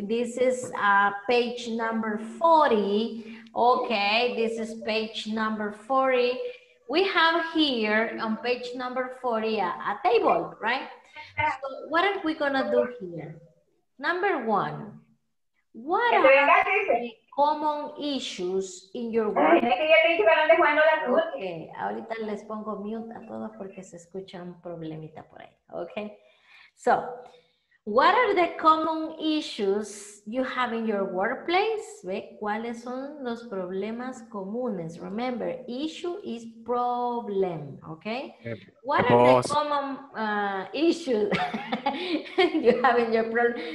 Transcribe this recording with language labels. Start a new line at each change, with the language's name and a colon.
English: This is page number 40. Okay. This is page number 40. we have here on page number 40 a table, right? So what are we gonna do here? Number one, what are the common issues in your work?
Spanish: Okay, ahorita les pongo mute a todos porque se escucha un problemita por ahí, okay?
English: So, what are the common issues you have in your workplace?
Spanish: ¿Ve? ¿Cuáles son los problemas comunes?
English: Remember, issue is problem, okay? What are the common issues you have in your problem?